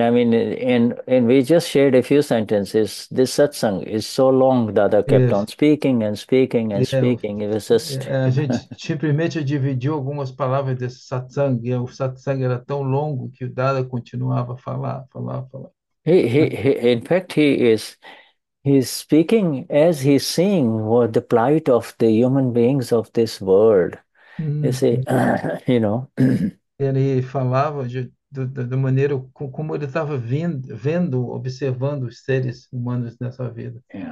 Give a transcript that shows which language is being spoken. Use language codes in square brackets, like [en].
[en] I mean, and we just shared a few sentences. This satsang is so long that I kept on speaking and speaking and speaking. It was just, [pt] A gente simplesmente dividiu algumas palavras desse satsang, e o satsang era tão longo que o Dada continuava a falar, falar, falar. [en] in fact, he's speaking as he's seeing what the plight of the human beings of this world. You see, you know. [pt] Ele falava da maneira como ele estava observando os seres humanos nessa vida.